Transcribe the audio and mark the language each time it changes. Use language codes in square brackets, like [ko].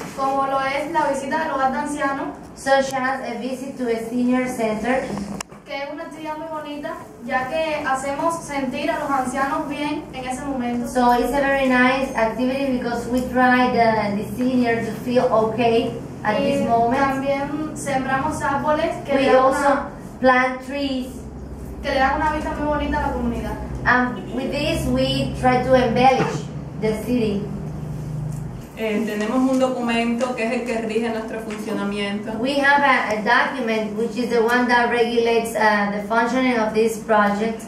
[es] Como lo es la visita al hogar de ancianos. [en] Such as a visit to a senior center. [es] Que es una actividad muy bonita, ya que hacemos sentir a los ancianos bien en ese momento. [en] So it's a very nice activity because we try the senior to feel okay at [es] y [en] this moment. [es] También sembramos árboles que [en] we [es] le dan [en] also [es] una, [en] plant trees [es] que le dan una vista muy bonita a la comunidad. [en] And with this we try to embellish the city. [es] Tenemos un documento que es el que rige nuestro funcionamiento. [en] We have a document which is the one that regulates the functioning of this project.